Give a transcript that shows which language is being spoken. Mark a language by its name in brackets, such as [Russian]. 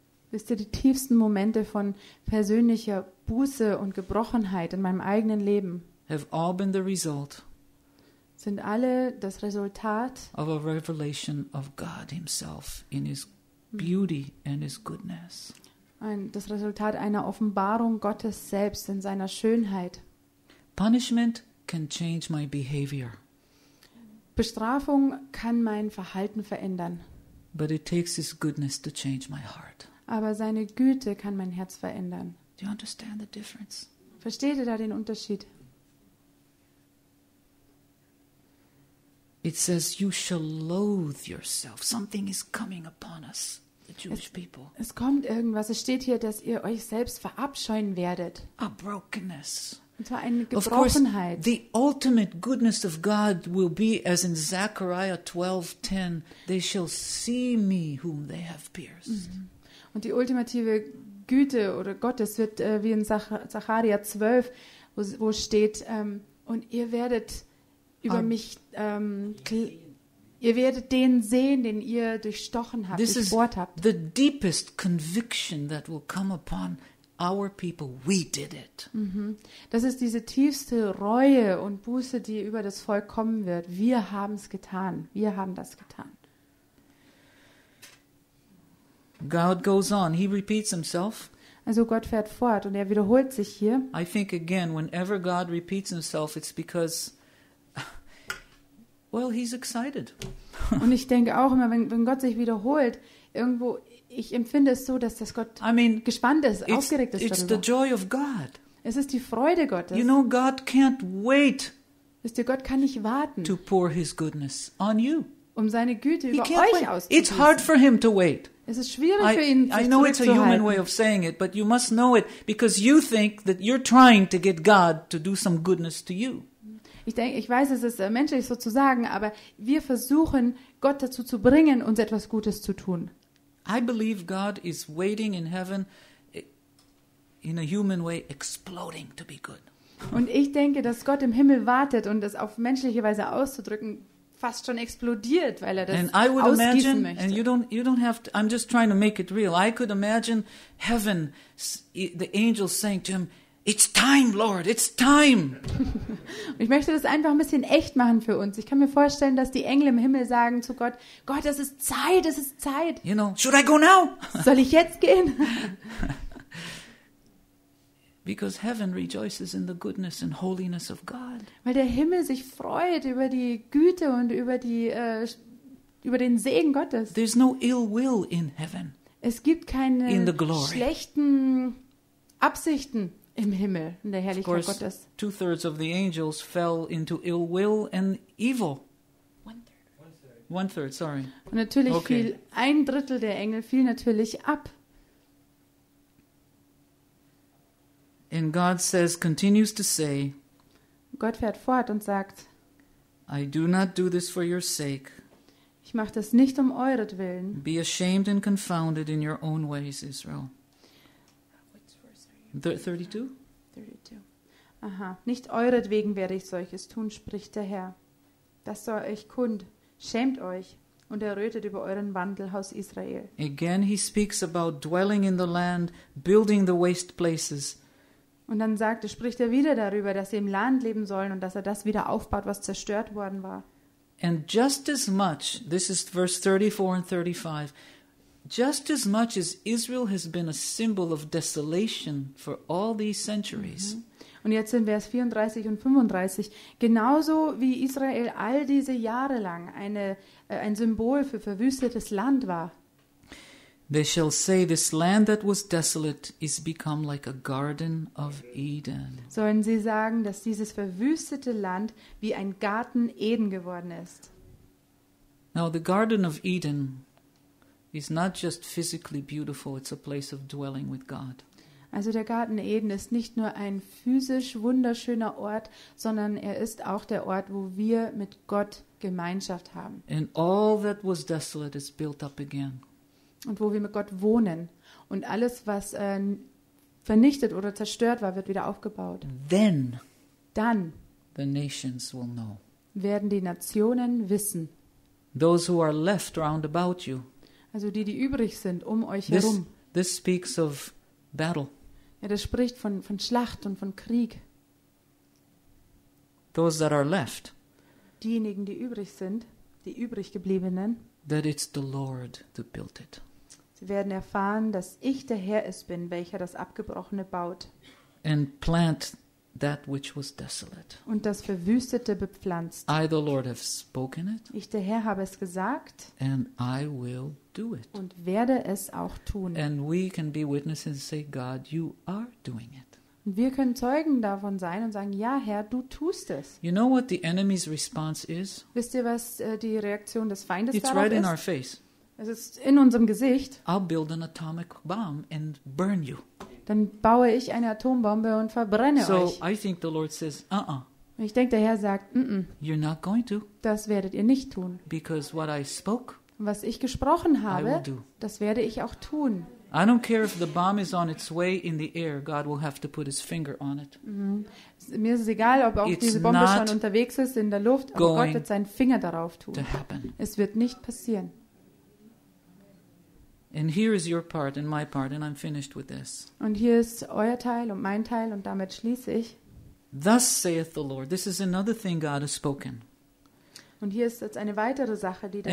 [German] Wisst ihr, die tiefsten Momente von persönlicher Buße und Gebrochenheit in meinem eigenen Leben [English] have all been the result [German] sind alle das Resultat [English] of a revelation of God himself in his beauty and his goodness. [German] Das Resultat einer Offenbarung Gottes selbst in seiner Schönheit. [English] Punishment can change my behavior. [German] Bestrafung kann mein Verhalten verändern. [English] But it takes his goodness to change my heart. [German] Aber seine Güte kann mein Herz verändern. [English] Do you understand the difference? [German] Versteht ihr da den Unterschied? [English] It says you shall loathe yourself. Something is coming upon us, the Jewish people. [German] Es kommt irgendwas. Es steht hier, dass ihr euch selbst verabscheuen werdet. [English] A brokenness. [German] Und zwar eine Gebrochenheit. [English] Of course, the ultimate goodness of God will be as in Zechariah 12:10. They shall see me whom they have pierced. [German] Und die ultimative Güte oder Gottes wird wie in Zechariah 12, wo steht, und ihr werdet über mich, ihr werdet den sehen, den ihr durchstochen habt, durchbohrt habt. [English] The deepest conviction that will come upon our people, we did it. Mm-hmm. [German] Das ist diese tiefste Reue und Buße, die über das Volk kommen wird. Wir haben es getan. Wir haben das getan. [English] God goes on. He repeats himself. [German] Also Gott fährt fort und er wiederholt sich hier. [English] I think again, whenever God repeats himself, it's because well, he's excited. [German] Und ich denke auch immer, wenn Gott sich wiederholt, irgendwo, ich empfinde es so, dass das Gott gespannt ist, aufgeregt ist darüber. [English] It's the joy of God. [German] Es ist die Freude Gottes. [English] You know, God can't wait. [German] Wisst ihr, Gott kann nicht warten. [English] To pour his goodness on you. [German] Um seine Güte über euch auszugießen. [English] It's hard for him to wait. [German] Es ist schwierig für ihn, sich zurückzuhalten. [English] I know it's a human way of saying it, but you must know it, because you think that you're trying to get God to do some goodness to you. [German] Ich weiß, es ist menschlich so zu sagen, aber wir versuchen, Gott dazu zu bringen, uns etwas Gutes zu tun. [English] I believe God is waiting in heaven in a human way, exploding to be good. [German] Und ich denke, dass Gott im Himmel wartet und das auf menschliche Weise auszudrücken, fast schon explodiert, weil er das ausgießen [English] imagine, [German] möchte. [English] And you don't have to, I'm just trying to make it real. I could imagine heaven, the angels saying to him, it's time, Lord, it's time. [German] Ich möchte das einfach ein bisschen echt machen für uns. Ich kann mir vorstellen, dass die Engel im Himmel sagen zu Gott, Gott, es ist Zeit, es ist Zeit. [English] You know, should I go now? [German] Soll ich jetzt gehen? [English] Because heaven rejoices in the goodness and holiness of God. [German] Weil der Himmel sich freut über die Güte und über die über den Segen Gottes. [English] There's no ill will in heaven. [German] Es gibt keine schlechten Absichten. Im Himmel, in der Herrlichkeit [English] of course, [German] Gottes. [English] Two-thirds of the angels fell into ill will and evil. One-third, sorry. [German] Und natürlich okay. Fiel ein Drittel der Engel fiel natürlich ab. [English] God says, continues to say, [German] Gott fährt fort und sagt, [English] I do not do this for your sake. [German] Ich mache das nicht um euretwillen. [English] Be ashamed and confounded in your own ways, Israel. Which verse are you? 32? 32. Aha. [German] Nicht euretwegen werde ich solches tun, spricht der Herr. Das soll euch kund. Schämt euch und errötet über euren Wandel, Haus Israel. [English] Again he speaks about dwelling in the land, building the waste places. [German] Und dann sagt, spricht er wieder darüber, dass sie im Land leben sollen und dass er das wieder aufbaut, was zerstört worden war. [English] And just as much, this is verse 34 and 35, just as much as Israel has been a symbol of desolation for all these centuries. Mm-hmm. [German] Und jetzt in Vers 34 und 35, genauso wie Israel all diese Jahre lang ein Symbol für verwüstetes Land war. [English] They shall say, this land that was desolate is become like a garden of Eden. [German] Sollen sie sagen, dass dieses verwüstete Land wie ein Garten Eden geworden ist? [English] Now the Garden of Eden is not just physically beautiful, it's a place of dwelling with God. [German] Also der Garten Eden ist nicht nur ein physisch wunderschöner Ort, sondern er ist auch der Ort, wo wir mit Gott Gemeinschaft haben. [English] And all that was desolate is built up again. [German] Und wo wir mit Gott wohnen. Und alles, was vernichtet oder zerstört war, wird wieder aufgebaut. [English] Then [German] dann [English] the nations will know. [German] Werden die Nationen wissen. [English] Those who are left round about you. [German] Also die, die übrig sind, um euch [English] this, [German] herum. [English] This speaks of battle. [German] Ja, das spricht von Schlacht und von Krieg. [English] Those that are left. [German] Diejenigen, die übrig sind, die übrig gebliebenen. [English] That it's the Lord that built it. [German] Sie werden erfahren, dass ich der Herr es bin, welcher das Abgebrochene baut. [English] And plant that which was desolate. [German] Und das Verwüstete bepflanzt. [English] I, the Lord, have spoken it. [German] Ich, der Herr, habe es gesagt. [English] And I will do it. [German] Und werde es auch tun. [English] And we can be witnesses and say, God, you are doing it. [German] Und wir können Zeugen davon sein und sagen, ja, Herr, du tust es. [English] You know what the enemy's response is? [German] Wisst ihr, was die Reaktion des Feindes [English] it's [German] darauf [English] right [German] ist? [English] In our face. [German] Es ist in unserem Gesicht. [English] I'll build an atomic bomb and burn you. [German] Dann baue ich eine Atombombe und verbrenne [English] so [German] euch. [English] So I think the Lord says, uh-uh. [German] Ich denke, der Herr sagt, [English] You're not going to. [German] Das werdet ihr nicht tun. [English] Because what I spoke, [German] was ich gesprochen habe, [English] I will do. [German] Das werde ich auch tun. [English] I don't care if the bomb is on its way in the air, God will have to put his finger on it. [German] Mm-hmm. Mir ist es egal, ob auch [English] it's [German] diese Bombe schon unterwegs ist in der Luft, aber Gott wird seinen Finger darauf tun. [English] To happen. [German] Es wird nicht passieren. [English] And here is your part and my part and I'm finished with this. [German] Und hier ist euer Teil und mein Teil und damit schließe ich. [English] Thus saith the Lord. This is another thing God has spoken. [German] Und hier ist jetzt eine weitere Sache, die der